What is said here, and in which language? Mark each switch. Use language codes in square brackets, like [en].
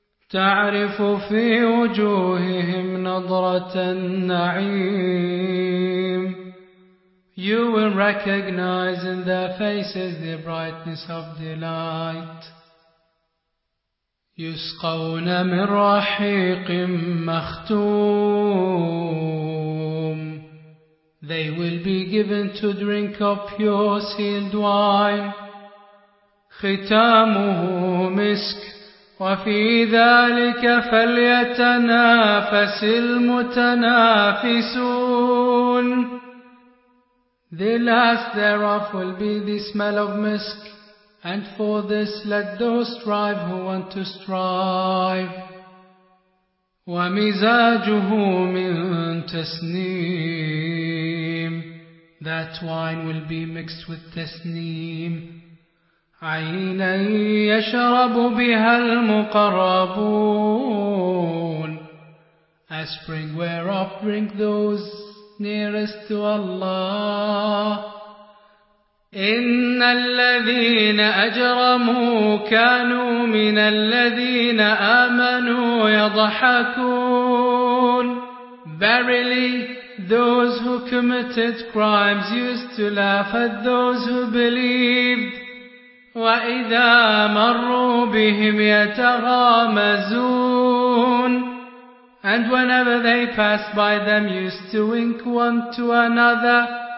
[ar] تعرف في وجوههم نظرة النعيم. [en] You will recognize in their faces the brightness of delight. [ar] يسقون من رحيق مختوم. [en] They will be given to drink of pure sealed wine. [ar] ختامه مسك. وفي ذلك فليتنافس المتنافسون. [en] The last thereof will be the smell of musk, and for this let those strive who want to strive. [ar] ومزاجه من تسنيم. [en] That wine will be mixed with تسنيم. [ar] عينا يشرب بها المقربون. [en] A spring whereof drink those nearest to Allah. [ar] إن الذين أجرموا كانوا من الذين آمنوا يضحكون. [en] Verily, those who committed crimes used to laugh at those who believed. [ar] وَإِذَا مَرُّوا بِهِمْ يَتَغَامَزُونَ. [en] And whenever they passed by them used to wink one to another.